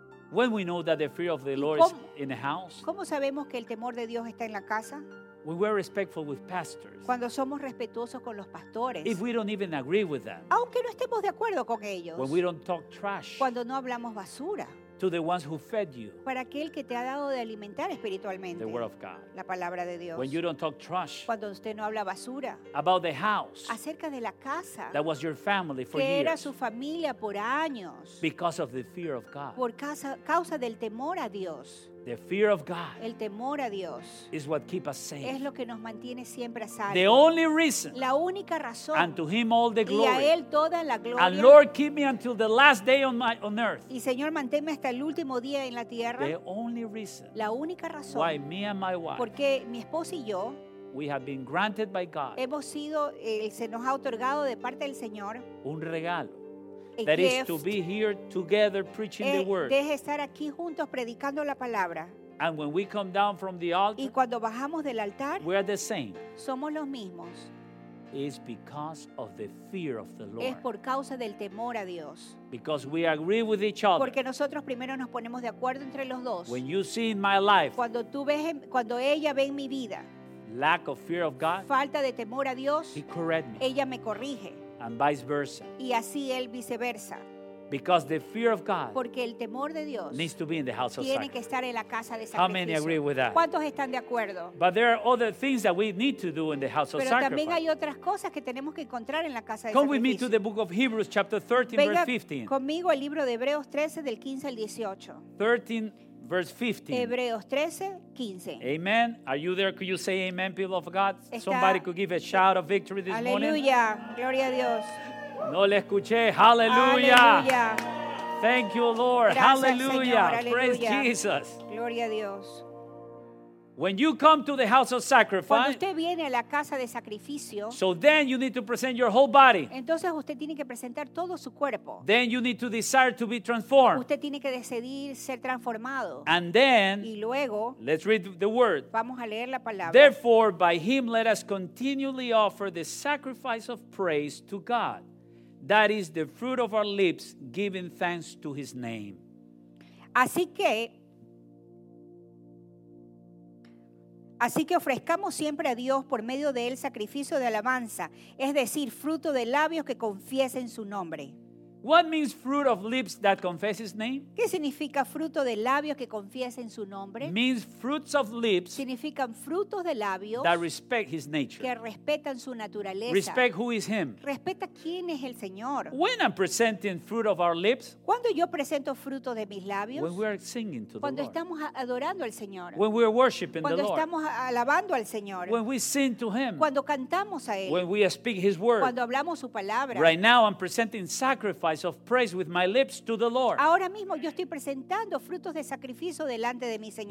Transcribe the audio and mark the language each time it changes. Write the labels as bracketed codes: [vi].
[en] When we know that the fear of the Lord is in the house, [es] ¿cómo sabemos que el temor de Dios está en la casa? [en] When we're respectful with pastors, [es] cuando somos respetuosos con los pastores, [en] if we don't even agree with them, [es] aunque no estemos de acuerdo con ellos, [en] when we don't talk trash, [es] cuando no hablamos basura, [en] to the ones who fed you, [es] para aquel que te ha dado de alimentar espiritualmente, [en] the word of God, [es] la palabra de Dios, [en] when you don't talk trash, [es] cuando usted no habla basura, [en] about the house, [es] acerca de la casa, [en] that was your family for [es] que [en] years, [es] era su familia por años, [en] because of the fear of God, [es] por causa del temor a Dios, [en] the fear of God, [es] el temor a Dios, [en] is what keeps us safe, [es] es lo que nos mantiene siempre a salvo, [en] the only reason, [es] la única razón, [en] and to him all the glory, [es] y a él toda la gloria, [en] and Lord keep me until the last day on earth, [es] y Señor manténme hasta el último día en la tierra, [en] the only reason, [es] la única razón, [en] why me and my wife, [es] porque mi esposa y yo, [en] we have been granted by God, [es] hemos sido, se nos ha otorgado de parte del Señor, un regalo, [en] a that gift, is to be here together preaching the word, [es] de estar aquí juntos predicando la palabra, [en] and when we come down from the altar, [es] y cuando bajamos del altar, [en] we are the same, [es] somos los mismos, [en] is because of the fear of the Lord, [es] es por causa del temor a Dios, [en] because we agree with each other, [es] porque nosotros primero nos ponemos de acuerdo entre los dos, [en] when you see in my life, [es] cuando tú ves en, cuando ella ve en mi vida, [en] lack of fear of God, [es] falta de temor a Dios, [en] he correct me, [es] ella me corrige, [en] and vice versa. [es] Y así él viceversa. [en] Because the fear of God, [es] porque el temor de Dios, [en] needs to be in the house of sacrifice. [es] Tiene que estar en la casa de sacrificio. [en] How many agree with that? [es] ¿Cuántos están de acuerdo? [en] But there are other things that we need to do in the house [es] pero [en] of sacrifice. [es] Pero también hay otras cosas que tenemos que encontrar en la casa de [en] come [es] sacrificio. [en] Come with me to the book of Hebrews chapter 13 verse 15. [es] Conmigo al libro de Hebreos 13 del 15 al 18. [en] 13 verse 15. [es] Hebreos 13:15. Amen. [en] Are you there? Could you say amen, people of God? [es] Está, [en] somebody could give a shout of victory this [es] aleluya, [en] morning. [es] Aleluya. Gloria a Dios. No le escuché. Hallelujah. Aleluya. [en] Thank you, Lord. [es] Gracias, [en] hallelujah. [es] Señor, [en] praise [es] aleluya. [en] Jesus. [es] Gloria a Dios. [en] When you come to the house of sacrifice, [es] cuando usted viene a la casa de sacrificio, [en] so then you need to present your whole body. [es] Entonces usted tiene que presentar todo su cuerpo. [en] Then you need to desire to be transformed. [es] Usted tiene que decidir ser transformado. [en] And then, [es] y luego, [en] let's read the word. [es] Vamos a leer la palabra. [en] Therefore, by him let us continually offer the sacrifice of praise to God. That is the fruit of our lips, giving thanks to his name. [es] Así que, así que ofrezcamos siempre a Dios por medio de él sacrificio de alabanza, es decir, fruto de labios que confiesen su nombre. [en] What means fruit of lips that confess his name? [es] ¿Qué significa fruto de labios que confiesen su nombre? [en] Means fruits of lips. [es] Significan frutos de labios. [en] That respect his nature. [es] Que respetan su naturaleza. [en] Respect who is him. [es] Respeta quién es el Señor. [en] When I'm presenting fruit of our lips. [es] Cuando yo presento fruto de mis labios. [en] When we are singing to the Lord. [es] Cuando estamos adorando al Señor. [en] When we are worshiping the Lord. [es] Cuando estamos alabando al Señor. [en] When we sing to him. [es] Cuando cantamos a él. [en] When we speak his word. [es] Cuando hablamos su palabra. [en] Right now I'm presenting sacrifice of praise with my lips to the Lord. [es] Ahora mismo yo estoy presentando frutos de sacrificio delante de mi Señor.